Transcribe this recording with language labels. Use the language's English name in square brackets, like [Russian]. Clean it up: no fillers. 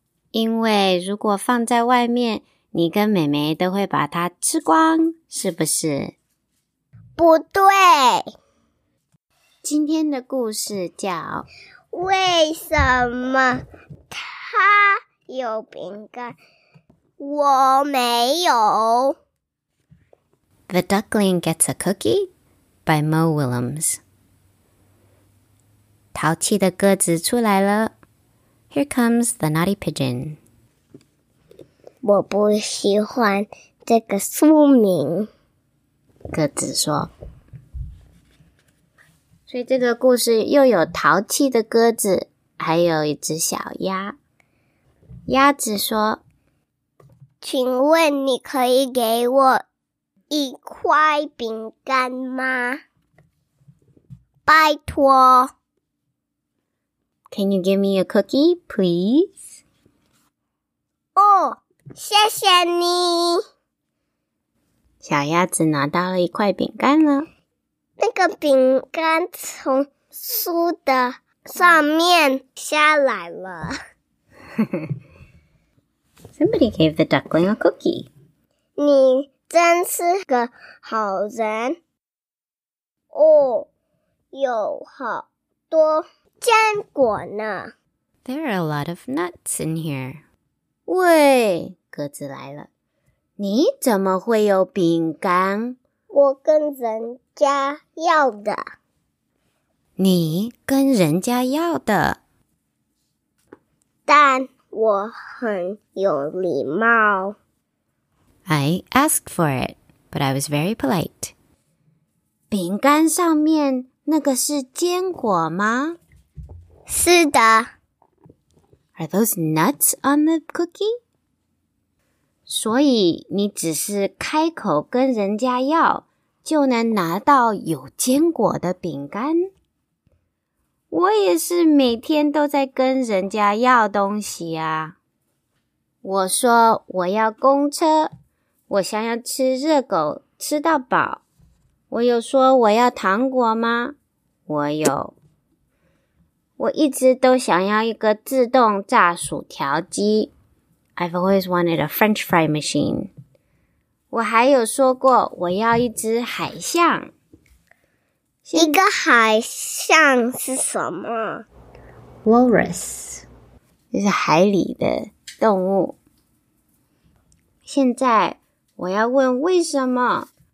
[Chinese] 因为如果放在外面，你跟妹妹都会把它吃光，是不是？不对。今天的故事叫为什么他有饼干我没有 [English] The Duckling Gets a Cookie by Mo Willems [Chinese] 淘气的鸽子出来了 [English] Here comes the naughty pigeon [Chinese] 我不喜欢这个书名鸽子说所以这个故事又有淘气的鸽子，还有一只小鸭。鸭子说： 请问你可以给我一块饼干吗？拜托。 [English] Can you give me a cookie, please? [Chinese] 哦，谢谢你。小鸭子拿到了一块饼干了。那个饼干从树的上面下来了。 [English] Somebody gave the duckling a cookie. [Chinese] 你真是个好人。哦，有好多坚果呢。 [English] There are a lot of nuts in here. [Chinese] 喂，鸽子来了。你怎么会有饼干？我跟人家要的。你跟人家要的。但我很有礼貌。 [English] I asked for it, but I was very polite. [Chinese] 饼干上面那个是坚果吗？是的。 [English] Are those nuts on the cookie? [Chinese] 所以你只是开口跟人家要。就能拿到有坚果的饼干。我也是每天都在跟人家要东西啊。我说我要公车，我想要吃热狗，吃到饱。我有说我要糖果吗？我有。我一直都想要一个自动炸薯条机。 [English] I've always wanted a French fry machine. [Chinese] 我还有说过我要一只海象。一个海象是什么 [English] ?Walrus. [Chinese] 这是海里的动物。现在我要问为什么。